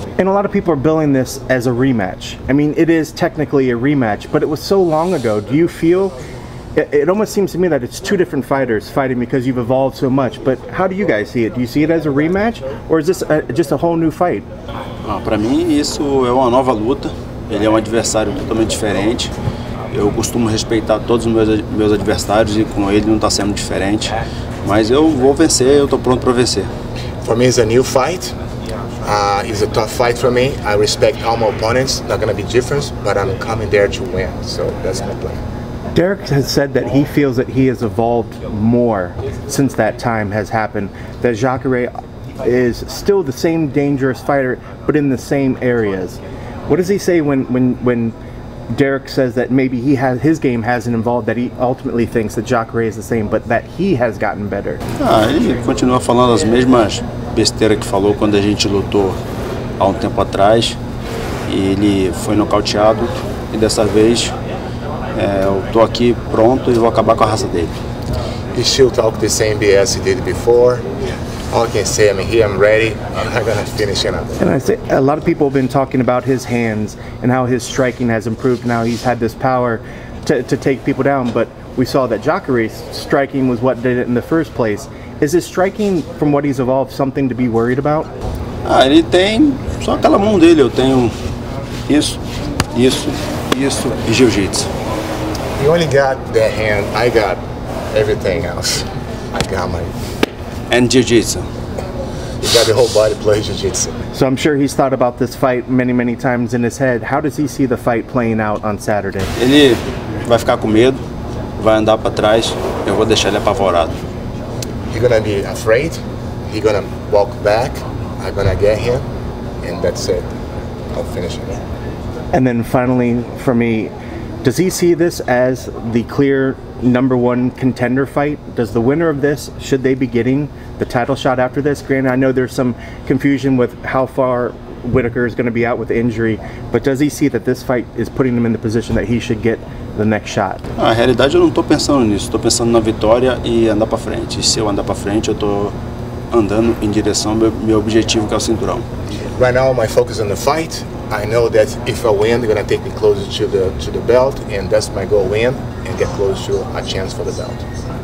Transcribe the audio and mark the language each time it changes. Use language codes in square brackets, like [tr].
[en] And a lot of people are billing this as a rematch. I mean, it is technically a rematch, but it was so long ago. Do you feel, it almost seems to me that it's two different fighters fighting because you've evolved so much, but how do you guys see it? Do you see it as a rematch, or is this just a whole new fight? [pt] Para mim, isso é uma nova luta. Ele é adversário totalmente diferente. Eu costumo respeitar todos os meus adversários e com ele não está sendo diferente. Mas eu vou vencer, eu estou pronto para vencer. [en] For me, it's a new fight. It's a tough fight for me. I respect all my opponents. Not going to be different, but I'm coming there to win. So that's my plan. Derek has said that he feels that he has evolved more since that time has happened. That Jacare is still the same dangerous fighter, but in the same areas. What does he say when Derek says that maybe he has his game hasn't evolved, that he ultimately thinks that Jacare is the same, but that he has gotten better? [pt] Ah, ele continua falando as mesmas besteiras que falou quando a gente lutou há tempo atrás. Ele foi nocauteado e dessa vez eu tô aqui pronto e vou acabar com a raça dele. [en] He still talk the same BS he did before. All I can say, I'm here, I'm ready, I'm not gonna finish it up. And I say, a lot of people have been talking about his hands and how his striking has improved. Now he's had this power to take people down, but we saw that Jacare's striking was what did it in the first place. Is his striking, from what he's evolved, something to be worried about? [pt] Ah, ele tem só aquela mão dele, eu tenho isso, e jiu-jitsu. [en] He only got that hand, I got everything else. I got my... And jiu-jitsu. You got the whole body playing jiu-jitsu. So I'm sure he's thought about this fight many, many times in his head. How does he see the fight playing out on Saturday? [pt] Ele vai ficar com medo, vai andar para trás. Eu vou deixar ele apavorado. [en] He's gonna be afraid. He's gonna walk back. I'm gonna get him, and that's it. I'll finish him. And then finally, for me, does he see this as the clear number one contender fight? Does the winner of this, should they be getting the title shot after this? Granted, I know there's some confusion with how far Whitaker is going to be out with injury, but does he see that this fight is putting him in the position that he should get the next shot? [pt] Na realidade, eu não estou pensando nisso. Estou pensando na vitória e andar para frente. E se eu andar para frente, eu estou andando em direção ao meu objetivo, que é o cinturão. [en] Right now, my focus on the fight. I know that if I win, they're going to take me closer to the belt, and that's my goal, win and get closer to a chance for the belt.